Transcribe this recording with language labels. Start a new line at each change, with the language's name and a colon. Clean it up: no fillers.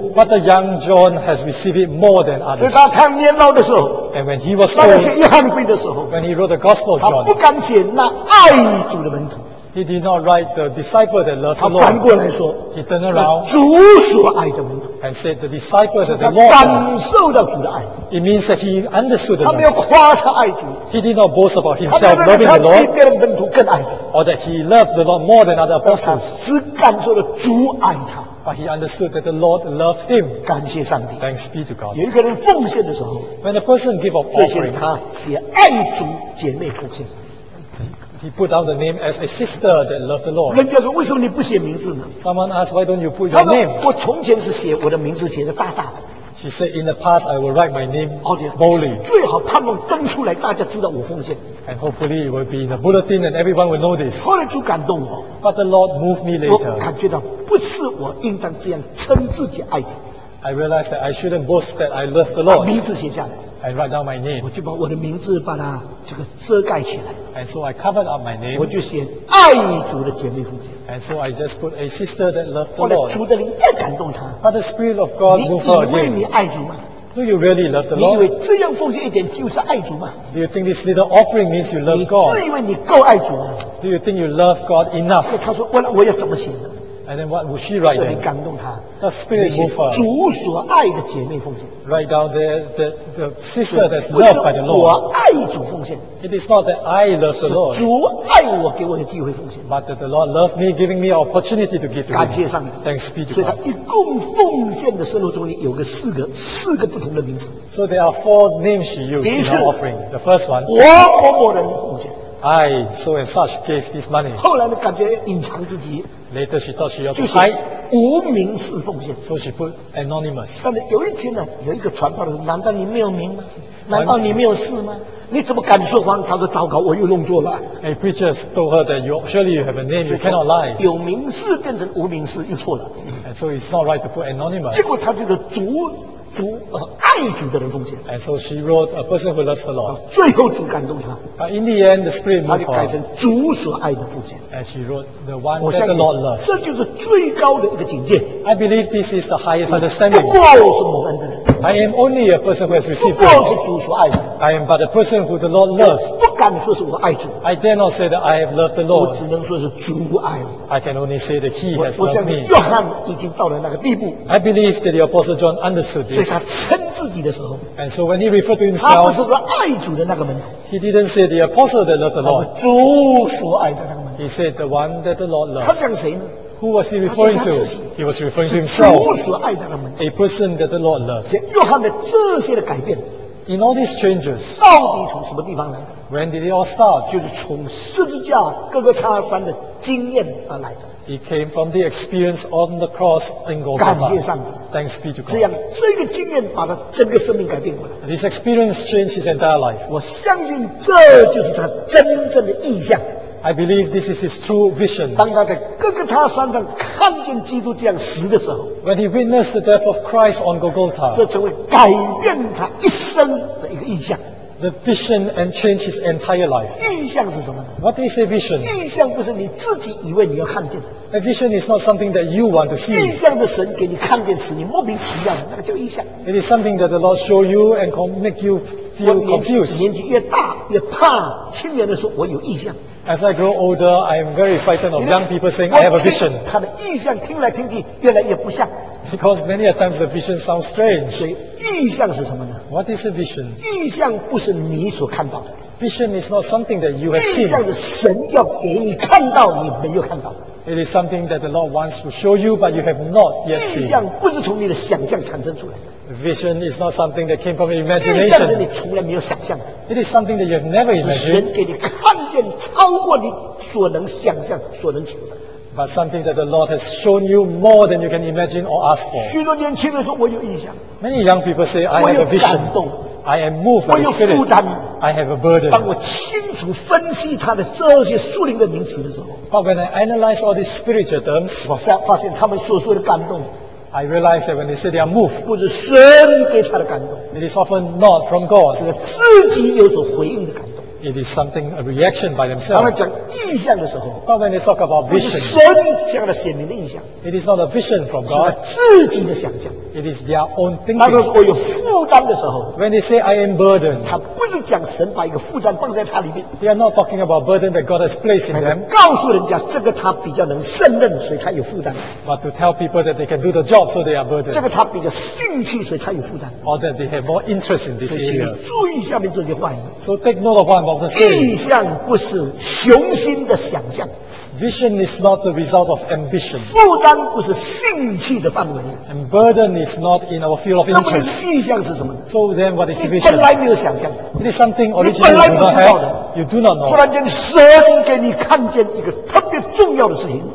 English: But the young John has received it more than others.
Chinese: 所以他年老的时候。
English: And when he was old.
Chinese: 那是约翰归的时候。
English: When he wrote the Gospel of John.
Chinese: 他不敢写那爱主的门徒。
English: He did not write the disciple that loved the Lord.
Chinese: 他反过来说，
English: He turned around.
Chinese: 主所爱的门徒。
English: And said the disciple that the Lord.
Chinese: 感受到主的爱。
English: It means that he understood the Lord.
Chinese: 他没有夸他爱主。
English: He did not boast about himself loving the Lord.
Chinese: 他比别的门徒更爱主。
English: Or that he loved the Lord more than other apostles.
Chinese: 只感受到主爱他。
English: But he understood that the Lord loved him.
Chinese: 感谢上帝。
English: Thanks be to God.
Chinese: 有一个人奉献的时候，
English: When a person gives up offering,
Chinese: 他写爱主姐妹奉献。
English: He put down the name as a sister that loved the Lord.
Chinese: 人家说为什么你不写名字呢？
English: Someone asked why don't you put your name?
Chinese: 我从前是写我的名字写的大大的。
English: She said in the past I will write my name boldly.
Chinese: 最好盼望登出来，大家知道我奉献。
English: And hopefully it will be in the bulletin and everyone will know this.
Chinese: 后来就感动我。
English: But the Lord moved me later.
Chinese: 我感觉到不是我应当这样称自己爱主。
English: I realized that I shouldn't boast that I love the Lord.
Chinese: 把名字写下来。
English: I write down my name.
Chinese: 我就把我的名字把它这个遮盖起来。
English: And so I covered up my name.
Chinese: 我就写爱主的姐妹奉献。
English: And so I just put a sister that loved the Lord.
Chinese: 后来主的灵再感动她。
English: But the spirit of God moved her again.
Chinese: 你以为你爱主吗？
English: Do you really love the Lord?
Chinese: 你以为这样奉献一点就是爱主吗？
English: Do you think this little offering means you love God?
Chinese: 你自以为你够爱主吗？
English: Do you think you love God enough?
Chinese: 她说我要怎么写呢？
English: And then what would she write then?
Chinese: 所以感动她。
English: The spirit moved her.
Chinese: 主所爱的姐妹奉献。
English: Write down the sister that's loved by the Lord.
Chinese: 我爱主奉献。
English: It is not that I love the Lord.
Chinese: 是主爱我给我的机会奉献。
English: But that the Lord loved me, giving me an opportunity to give to him.
Chinese: 感谢上帝。
English: Thanks be to God.
Chinese: 所以他一共奉献的圣路中有个四个不同的名字。
English: So there are four names she used in her offering. The first one.
Chinese: 我某某人奉献。
English: I, so and such, gave this money.
Chinese: 后来呢感觉隐藏自己。
English: Later she thought she had to hide.
Chinese: 就是无名氏奉献。
English: So she put anonymous.
Chinese: 但是有一天呢，有一个传道人，难道你没有名吗？难道你没有事吗？你怎么敢说谎？他说糟糕，我又弄错了。
English: A preacher told her that you surely you have a name, you cannot lie.
Chinese: 有名氏变成无名氏又错了。
English: And so it's not right to put anonymous.
Chinese: 结果他就是主爱主的人奉献。
English: And so she wrote a person who loves the Lord.
Chinese: 最后主感动他。
English: But in the end, the spirit moved her.
Chinese: 他就改成主所爱的奉献。
English: And she wrote the one that the Lord loves.
Chinese: 这就是最高的一个境界。
English: I believe this is the highest understanding.
Chinese: 不过我是蒙恩的人。
English: I am only a person who has received grace.
Chinese: 不过我是主所爱的。
English: I am but a person who the Lord loves.
Chinese: 不敢说是我爱主。
English: I dare not say that I have loved the Lord.
Chinese: 我只能说是主爱我。
English: I can only say that He has loved me.
Chinese: 约翰已经到了那个地步。
English: I believe that the Apostle John understood this.
Chinese: 所以他称自己的时候。
English: And so when he referred to himself.
Chinese: 他不是个爱主的那个门徒。
English: He didn't say the apostle that loved the Lord.
Chinese: 主所爱的那个门徒。
English: He said the one that the Lord loves.
Chinese: 他讲谁呢？
English: Who was he referring to? He was referring to himself. A person that the Lord loves.
Chinese: 约翰的这些的改变。
English: In all these changes.
Chinese: 到底从什么地方来的？
English: When did it all start?
Chinese: 就是从十字架哥哥他山的经验而来的。
English: It came from the experience on the cross in Golgotha.
Chinese: 感谢上帝。
English: Thanks be to God.
Chinese: 这样，这个经验把他整个生命改变过来。
English: This experience changed his entire life.
Chinese: 我相信这就是他真正的意象。
English: I believe this is his true vision.
Chinese: 当他在哥哥他山上看见基督这样死的时候，
English: When he witnessed the death of Christ on Golgotha,
Chinese: 这成为改变他一生的一个意象。
English: The vision and change his entire life.
Chinese: 意象是什么呢？
English: What is a vision?
Chinese: 意象不是你自己以为你要看见的。
English: A vision is not something that you want to see.
Chinese: 意象是神给你看见时你莫名其妙的，那个叫意象。
English: It is something that the Lord show you and make you feel confused.
Chinese: 年纪越大越怕青年的说我有意象。
English: As I grow older, I am very frightened of young people saying I have a vision.
Chinese: 他的意象听来听去越来越不像。
English: Because many a times the vision sounds strange.
Chinese: 所以意象是什么呢？
English: What is a vision?
Chinese: 意象不是你所看到的。
English: Vision is not something that you have seen.
Chinese: 意象是神要给你看到你没有看到。
English: It is something that the Lord wants to show you, but you have not yet seen.
Chinese: 意象不是从你的想象产生出来的。
English: Vision is not something that came from your imagination.
Chinese: 意象是你从来没有想象的。
English: It is something that you have never imagined.
Chinese: 神给你看见超过你所能想象、所能求的。
English: But something that the Lord has shown you more than you can imagine or ask for.
Chinese: 许多年轻人说我有意象。
English: Many young people say, I have a vision.
Chinese: 我有感动。
English: I am moved by the Spirit. I have a burden.
Chinese: 当我清楚分析他的这些属灵的名词的时候
English: ，But when I analyze all these spiritual terms,
Chinese: 我发现他们所说的感动
English: ，I realize that when they say they are moved,
Chinese: 不是神给他的感动
English: ，It is often not from God.
Chinese: 是自己有所回应的感动
English: ，It is something a reaction by themselves.
Chinese: 当他讲意象的时候
English: ，But when they talk about vision,
Chinese: 不是神这样的显明的意象
English: ，It is not a vision from God.
Chinese: 是他自己的想象。
English: It is their own thinking.
Chinese: 当我有负担的时候
English: ，When they say I am burdened，
Chinese: 他不是讲神把一个负担放在他里面。
English: They are not talking about burden that God has placed in them.
Chinese: 告诉人家这个他比较能胜任，所以他有负担。
English: But to tell people that they can do the job, so they are burdened.
Chinese: 这个他比较兴趣，所以他有负担。
English: Or that they have more interest in this area.
Chinese: 注意下面这句话。
English: So take note of what I'm about to say.
Chinese: 意象不是雄心的想象。
English: Vision is not the result of ambition.
Chinese: 负担不是兴趣的范围。
English: And burden is not in our field of interest.
Chinese: 那么意象是什么？
English: So then, what is vision?
Chinese: 你本来没有想象的。
English: It is something originally you do not have. You do not know.
Chinese: 突然间，神给你看见一个特别重要的事情。